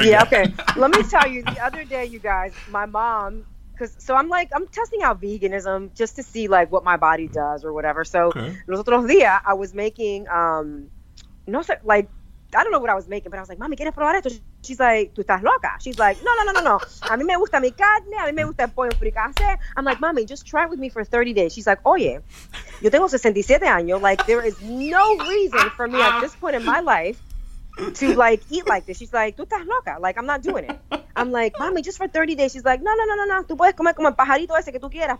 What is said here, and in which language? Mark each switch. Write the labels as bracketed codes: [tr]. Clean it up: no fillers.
[en] Yeah, okay. Let me tell you, the other day, you guys, my mom, I'm testing out veganism just to see, like, what my body does or whatever. So, [es] los otros días, [en] I was making, I don't know what I was making, but I was like, mami, [es] ¿quieres probar esto? [en] She's like, [es] tú estás loca. [en] She's like, no. [es] A mí me gusta mi carne, a mí me gusta el pollo fricase. [en] I'm like, mami, just try with me for 30 days. She's like, [es] oye, yo tengo 67 años. [en] Like, there is no reason for me at this point in my life to, like, eat like this. She's like, [es] tú estás loca. [en] Like, I'm not doing it. I'm like, mami, just for 30 days. She's like, no. [es] Tú puedes comer como el pajarito ese que tú quieras.